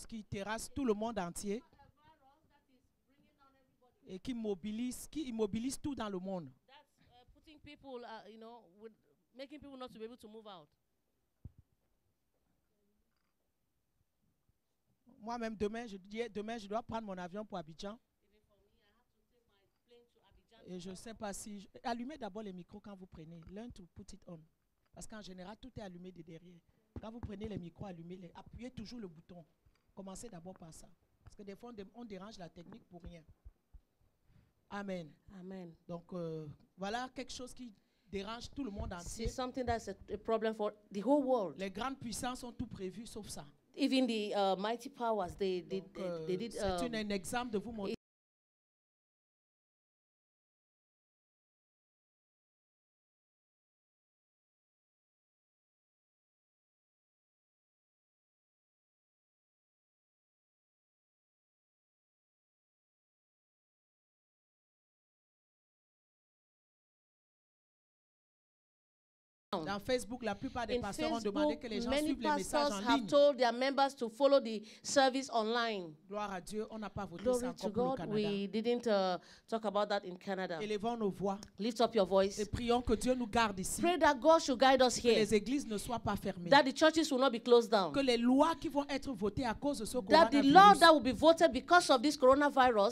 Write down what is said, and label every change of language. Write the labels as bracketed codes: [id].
[fr] qui terrasse tout le monde entier et qui immobilise tout dans le monde. [en] Putting people, you know, with making people not to be able to move out. [fr] Moi-même, demain, je dois prendre mon avion pour Abidjan. Et je ne sais pas si... Allumez d'abord les micros quand vous prenez. [en] Learn to put it on. [fr] Parce qu'en général, tout est allumé de derrière. Quand vous prenez les micros, allumez-les. Appuyez toujours le bouton. Commencez d'abord par ça. Parce que des fois, on dérange la technique pour rien. Amen. Amen. Donc, voilà quelque chose qui dérange tout le monde entier. C'est [en] something that's a problem for the whole world. [fr] Les grandes puissances ont tout prévu, sauf ça. [en] Even the mighty powers, they did... [fr] C'est un exemple de vous montrer. Dans Facebook, la plupart des pasteurs ont demandé que les gens suivent les messages en ligne. [en] Many pastors have told their members to follow the service online. [fr] Gloire à Dieu, on n'a pas voté ça encore pour le Canada. [en] We didn't talk about that in Canada. [fr] Élevons nos voix. [en] Lift up your voice. [fr] Et prions que Dieu nous garde ici. [en] Pray that God should guide us here. [fr] Que les églises ne soient pas fermées. [en] That the churches will not be closed down. [fr] Que les lois qui vont être votées à cause de ce coronavirus. [en] That the laws that will be voted because of this coronavirus.